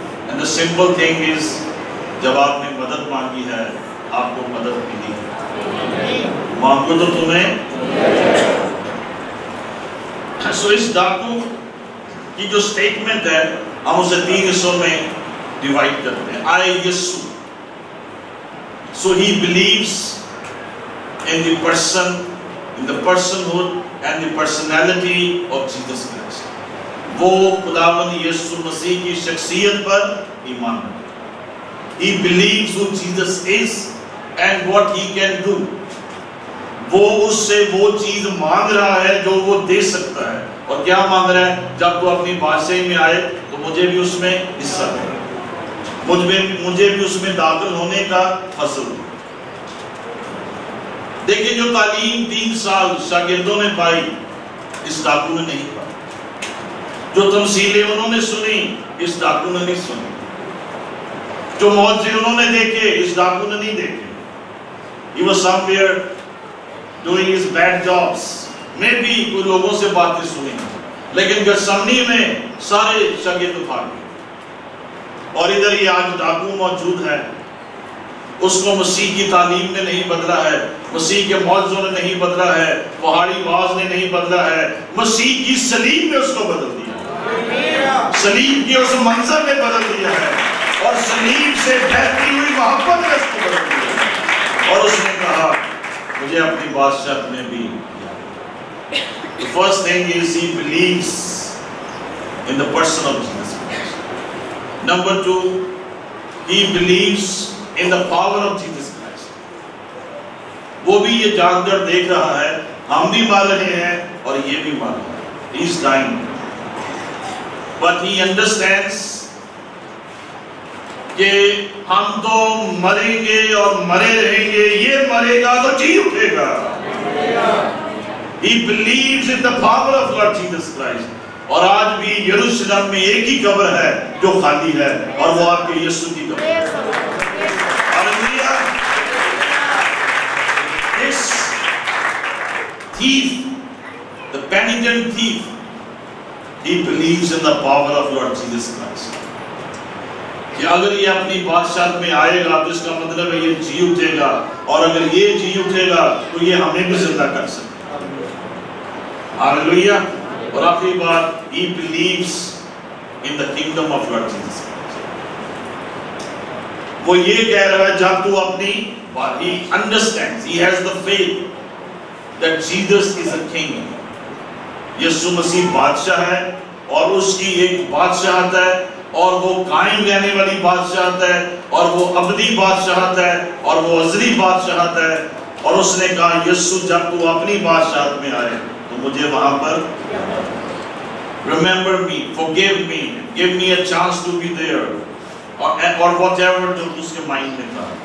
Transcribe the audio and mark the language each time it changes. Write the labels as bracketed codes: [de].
[en] And the simple thing is, [ur] جب آپ نے مدد مانگی ہے, آپ کو مدد ملی ہے, مانگو تو تمہیں. سو اس ڈاکو کی جو سٹیٹمنٹ ہے, ہم اسے تین حصوں میں ڈیوائڈ کرتے ہیں. [en] آئے یسو, so he believes in the person, in the personhood and the personality of Jesus Christ. [ur] وہ خداوند یسو مسیح کی شخصیت پر ایمان رکھتا ہے. [en] He believes who Jesus is and what he can do. [ur] وہ اس سے وہ چیز مانگ رہا ہے جو وہ دے سکتا ہے. اور کیا مانگ رہا ہے؟ جب تو اپنی بادشاہی میں آئے تو مجھے بھی اس میں حصہ دے, مجھے بھی اس میں داخل ہونے کا فضل. دیکھیں جو تعلیم 3 سال شاگردوں نے پائی اس ڈاکو نے نہیں پائی, جو تمثیلیں انہوں نے سنی اس ڈاکو نے نہیں سنی, جو معجزے انہوں نے دیکھے اس ڈاکو نے نہیں دیکھے. [en] He was somewhere doing his bad jobs. [ur] میں بھی کچھ لوگوں سے باتیں سنی, لیکن گسمنی میں سارے شاگرد اٹھا گئے. اور ادھر یہ آج ڈاکو موجود ہے, اس کو مسیح کی تعلیم نے نہیں بدلا ہے, مسیح کے معجزوں نے نہیں بدلا ہے, پہاڑی باز نے نہیں بدلا ہے, مسیح کی صلیب نے اس کو بدل دیا, صلیب کے اس منظر نے بدل دیا ہے, اور صلیب سے بہتی ہوئی محبت نے اس کو بدل دیا ہے. اور اس نے کہا مجھے اپنی بادشاہت میں بھی. [en] The first thing is he believes in the person of Jesus. Number two, he believes in the power of Jesus Christ. [ur] وہ بھی یہ جان کر دیکھ رہا ہے, ہم بھی مان رہے ہیں اور یہ بھی مان رہا ہے. [en] He's dying. But he understands [ur] کہ ہم تو مریں گے اور مرے رہیں گے, یہ مرے گا تو جی اٹھے گا. [en] He believes in the power of Lord Jesus Christ. [ur] اور آج بھی یروشلم میں ایک ہی قبر ہے جو خالی ہے, اور وہ آپ کے یسوع کی قبر ہے. [en] This thief, the penitent thief, he believes in the power of Lord Jesus Christ. [ur] کہ اگر یہ اپنی بادشاہت میں آئے گا تو اس کا مطلب ہے یہ جی اٹھے گا, اور اگر یہ جی اٹھے گا تو یہ ہمیں بھی زندہ کر سکتا. [en] Hallelujah. [ur] اور آخری بات, [en] he believes in the kingdom of Lord Jesus Christ. [ur] وہ یہ کہہ رہا ہے جب تو اپنی بات, [en] he understands, he has the faith that Jesus is a king. [ur] یسوع مسیح بادشاہ ہے, اور اس کی ایک بادشاہت ہے, اور وہ قائم رہنے والی بادشاہت ہے, اور وہ ابدی بادشاہت ہے, اور وہ ازلی بادشاہت ہے. اور اس نے کہا یسوع جب تو اپنی بادشاہت میں آئے تو مجھے وہاں پر, [en] remember me, forgive me, give me a chance to be there, [ur] اور whatever جو اس کے مائنڈ میں تھا.